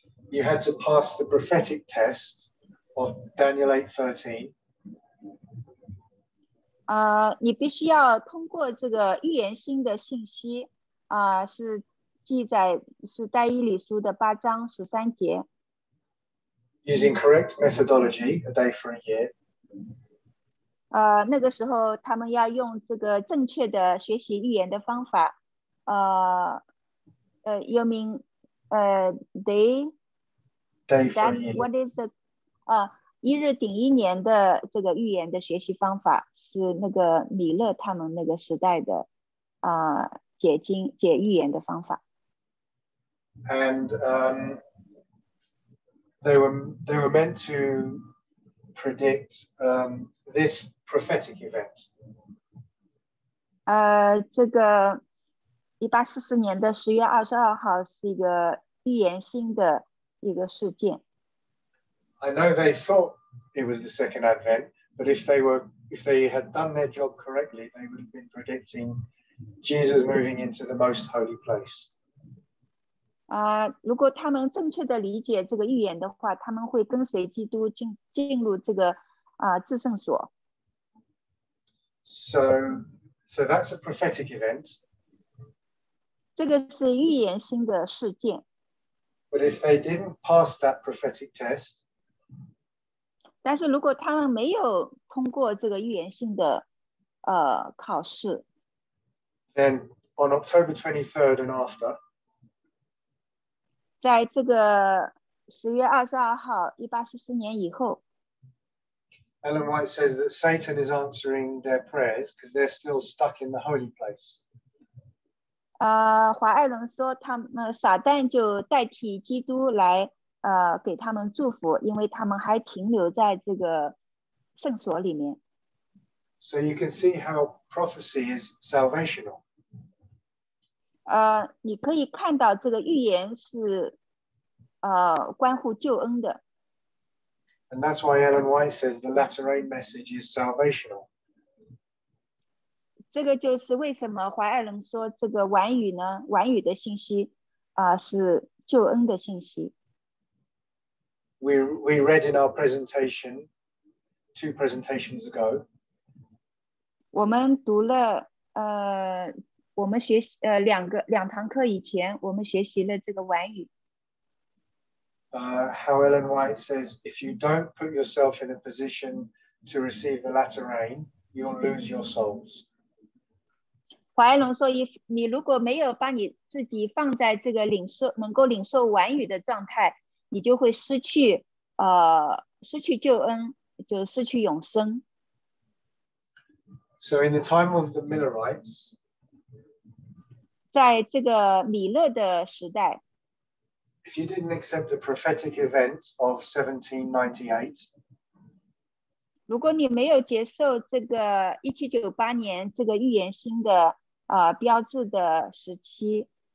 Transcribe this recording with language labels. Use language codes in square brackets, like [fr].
[en] you had to pass the prophetic test of Daniel 8:13. [zh] 你必须要通过这个预言星的信息，是记载，是但以理书的8章13节。 [en] Using correct methodology, a day for a year, [zh] 那个时候他们要用这个正确的学习预言的方法， [en] you mean, day? Day for a year. What is the, [zh] 一日顶一年的这个预言的学习方法是那个米勒他们那个时代的，解经解预言的方法。 [en] And they were meant to predict this prophetic event. [zh] 这个1844年的10月22号是一个预言性的一个事件。 [en] I know they thought it was the second advent, but if they had done their job correctly, they would have been predicting Jesus moving into the most holy place. [zh] 如果他们正确的理解这个预言的话，他们会跟随基督进入这个至圣所。 [en] So that's a prophetic event. [zh] 这个是预言性的事件。 [en] But if they didn't pass that prophetic test, [zh] 但是如果他们没有通过这个预言性的考试。 [en] Then on October 23rd and after, [zh] 在这个10月22号1844年以后， [en] Ellen White says that Satan is answering their prayers because they're still stuck in the holy place. [zh] 华艾伦说他们撒旦就代替基督来给他们祝福，因为他们还停留在这个圣所里面。 [en] So you can see how prophecy is salvational. [zh] 你可以看到这个预言是关乎救恩的。 [en] And that's why Ellen White says the Latter Rain message is salvational. [zh] 这个就是为什么华艾伦说这个晚语呢？晚语的信息是救恩的信息。 [en] We read in our presentation two presentations ago. [zh] 我们读了我们学习两堂课以前，我们学习了这个晚语。 [en] How Ellen White says, if you don't put yourself in a position to receive the latter rain, you'll lose your souls. [zh] 华艾伦说，你如果没有把你自己放在这个能够领受晚语的状态，你就会失去救恩，就失去永生。 [en] So in the time of the Millerites, [zh] 在这个米勒的时代， [en] if you didn't accept the prophetic event of 1798, [zh] 如果你没有接受这个1798年这个预言星的标志的时期，